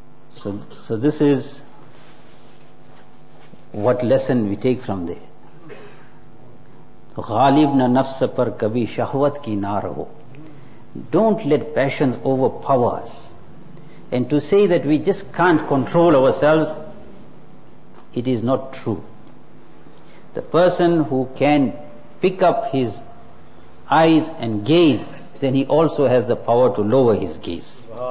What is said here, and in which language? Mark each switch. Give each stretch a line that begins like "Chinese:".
English: So this is what lesson we take from there.
Urdu: غالب نہ نفس پر کبھی شہوت کی نہ رہو.
English: Don't let passions overpower us. And to say that we just can't control ourselves, it is not true. The person who can pick up his eyes and gaze, then he also has the power to lower his gaze.